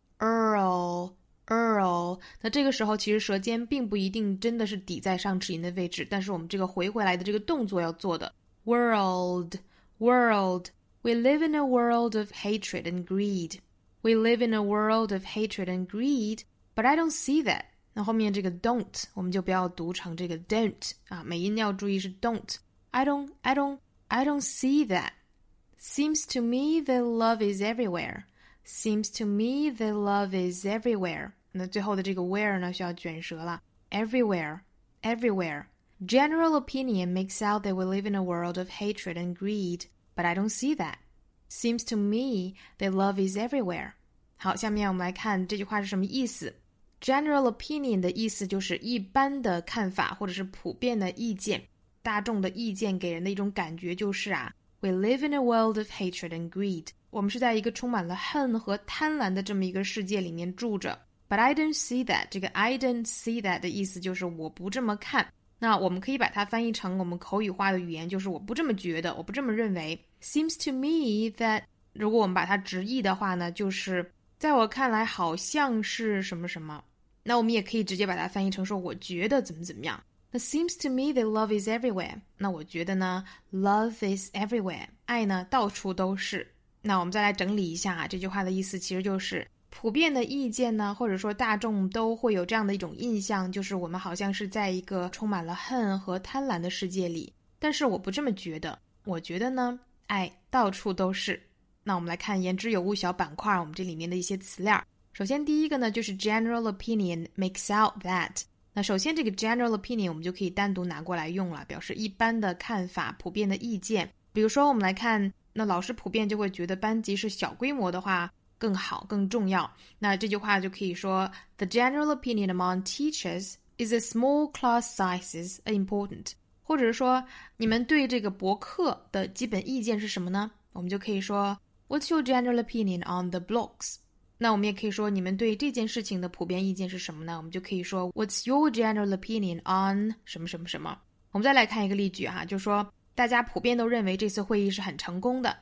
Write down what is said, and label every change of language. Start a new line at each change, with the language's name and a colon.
Chinese: Earl, 那这个时候其实舌尖并不一定真的是抵在上齿龈的位置，但是我们这个回回来的这个动作要做的。
English: World, we live in a world of hatred and greed. We live in a world of hatred and greed, but I don't see that.
Chinese: 那后面这个 don't 我们就不要读成这个 don't 啊，美音要注意是 don't.
English: I don't see that. Seems to me that love is everywhere. Seems to me that love is everywhere.
Chinese: 那最后的这个 where 呢，需要卷舌了。Everywhere.
English: General opinion makes out that we live in a world of hatred and greed, but I don't see that. Seems to me that love is everywhere.
Chinese: 好，下面我们来看这句话是什么意思。 General opinion 的意思就是一般的看法或者是普遍的意见，大众的意见给人的一种感觉就是啊 ，
English: We live in a world of hatred and greed.
Chinese: 我们是在一个充满了恨和贪婪的这么一个世界里面住着。
English: But I don't see that.
Chinese: 这个
English: I don't see that
Chinese: 的意思就是我不这么看。那我们可以把它翻译成我们口语化的语言，就是我不这么觉得，我不这么认为。
English: Seems to me that
Chinese: 如果我们把它直译的话呢，就是在我看来好像是什么什么。那我们也可以直接把它翻译成说我觉得怎么怎么样。
English: 那 seems to me that love is everywhere.
Chinese: 那我觉得呢 ，
English: love is everywhere.
Chinese: 爱呢到处都是。那我们再来整理一下啊，这句话的意思其实就是普遍的意见呢，或者说大众都会有这样的一种印象，就是我们好像是在一个充满了恨和贪婪的世界里。但是我不这么觉得，我觉得呢，爱到处都是。那我们来看言之有物小板块，我们这里面的一些词链。首先第一个呢，就是
English: general opinion makes out that。
Chinese: 那首先这个 general opinion 我们就可以单独拿过来用了，表示一般的看法、普遍的意见。比如说我们来看，那老师普遍就会觉得班级是小规模的话更好、更重要。那这句话就可以说
English: the general opinion among teachers is that small class sizes are important。
Chinese: 或者是说你们对这个博客的基本意见是什么呢？我们就可以说
English: What's your general opinion on the blogs？
Chinese: 那我们也可以说，你们对这件事情的普遍意见是什么呢？我们就可以说 ，
English: What's your general opinion on
Chinese: 什么什么什么？我们再来看一个例句哈，就说大家普遍都认为这次会议是很成功的。